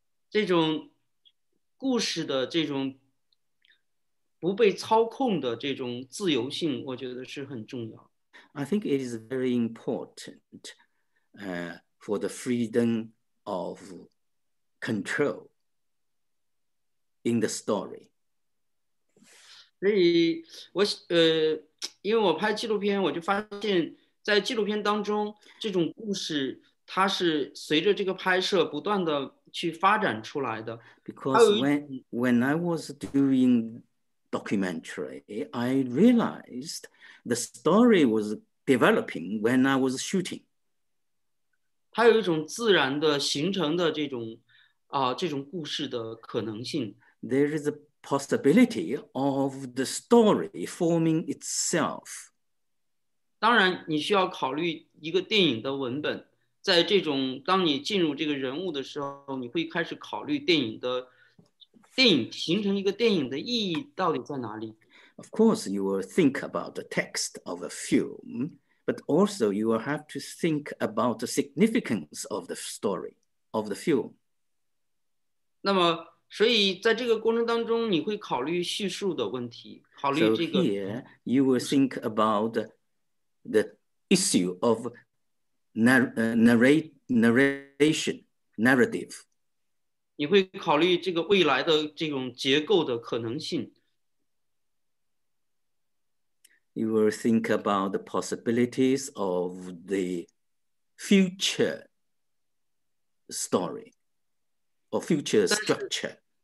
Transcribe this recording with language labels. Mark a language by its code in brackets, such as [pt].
[zh] 这种故事的这种不被操控的这种自由性，我觉得是很重要。 [en] I think it is very important, for the freedom of control in the story. [zh] 所以我因为我拍纪录片，我就发现，在纪录片当中，这种故事它是随着这个拍摄不断的去发展出来的。 [en] Because when I was doing documentary, I realized the story was developing when I was shooting. [zh] 它有一种自然的形成的这种这种故事的可能性。 [en] There is a possibility of the story forming itself. [zh] 当然，你需要考虑一个电影的文本。在这种当你进入这个人物的时候，你会开始考虑电影形成一个电影的意义到底在哪里。 [en] Of course, you will think about the text of a film, but also you will have to think about the significance of the story of the film. [zh] 那么，所以在这个过程当中，你会考虑叙述的问题，考虑这个。 [en] So here, you will think about the issue of narration, narrative. [zh] 你会考虑这个未来的这种结构的可能性。 [en] You will think about the possibilities of the future story or future structure.